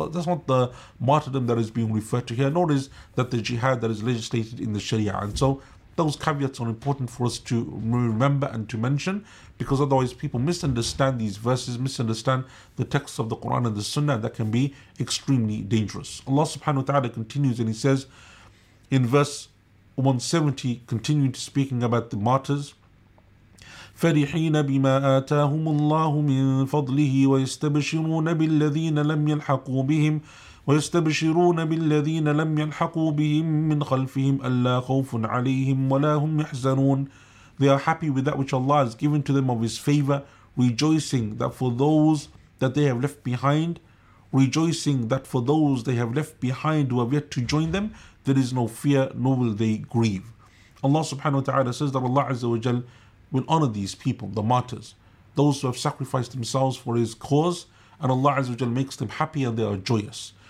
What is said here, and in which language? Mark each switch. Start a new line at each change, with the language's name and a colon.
English: That's not the martyrdom that is being referred to here, nor is that the jihad that is legislated in the Sharia. And so those caveats are important for us to remember and to mention, because otherwise people misunderstand these verses, misunderstand the texts of the Quran and the Sunnah, and that can be extremely dangerous. Allah subhanahu wa ta'ala continues and he says in verse 170, continuing to speaking about the martyrs,
Arabic: فَرِحِينَ بِمَا آتَاهُمُ اللَّهُ مِنْ فَضْلِهِ وَيَسْتَبْشِرُونَ بِالَّذِينَ لَمْ يَلْحَقُوا بِهِمْ وَيَسْتَبْشِرُونَ بِالَّذِينَ لَمْ يَلْحَقُوا بِهِمْ مِنْ خَلْفِهِمْ أَلَّا خَوْفٌ عَلَيْهِمْ وَلَا هُمْ يَحْزَنُونَ.
English: They are happy with that which Allah has given to them of His favor, rejoicing that for those that they have left behind, rejoicing that for those they have left behind who have yet to join them, there is no fear, nor will they grieve. Allah subhanahu wa ta'ala says that Allah azza wa jal will honor these people, the martyrs, those who have sacrificed themselves for His cause, and Allah azza wa jal makes them happy and they are joyous.